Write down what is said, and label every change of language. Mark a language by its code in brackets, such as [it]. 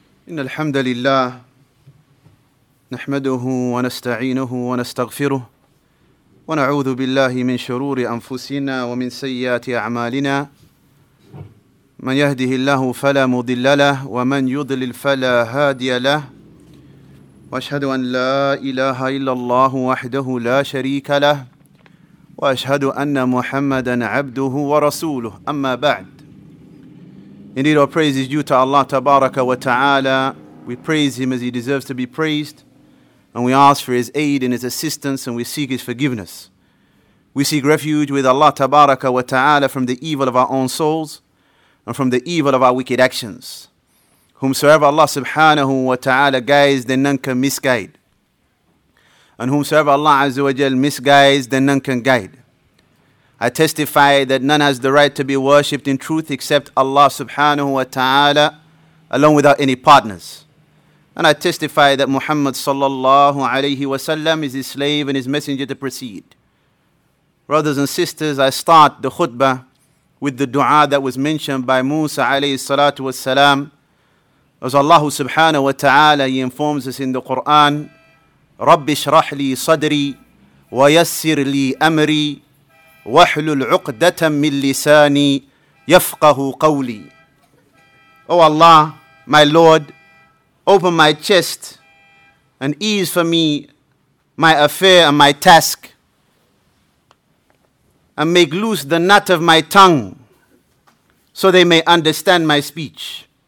[ar] إن الحمد لله نحمده ونستعينه ونستغفره ونعوذ بالله من شرور أنفسنا ومن سيئات أعمالنا، من يهده الله فلا مضل له ومن يضلل فلا هادي له، وأشهد أن لا إله إلا الله وحده لا شريك له، وأشهد أن محمدا عبده ورسوله، أما بعد. [en] Indeed, our praise is due to Allah Tabaraka wa Ta'ala. We praise Him as He deserves to be praised, and we ask for His aid and His assistance, and we seek His forgiveness. We seek refuge with Allah Tabaraka wa Ta'ala from the evil of our own souls and from the evil of our wicked actions. Whomsoever Allah Subhanahu wa Ta'ala guides, then none can misguide. And whomsoever Allah Azza wa Jal misguides, then none can guide. I testify that none has the right to be worshipped in truth except Allah subhanahu wa ta'ala alone without any partners. And I testify that Muhammad sallallahu alayhi wa sallam is his slave and his messenger to proceed. Brothers and sisters, I start the khutbah with the dua that was mentioned by Musa alayhi salatu wa salam. As Allah subhanahu wa ta'ala, He informs us in the Quran, [ar] رَبِّ شْرَحْ لِي صَدْرِي وَيَسِّرْ لِي أَمْرِي وَحْلُلْ عُقْدَةً مِنْ لِسَانِي يَفْقَهُ قَوْلِي. [en] O Allah, my Lord, open my chest and ease for me my affair and my task, and make loose the knot of my tongue so they may understand my speech.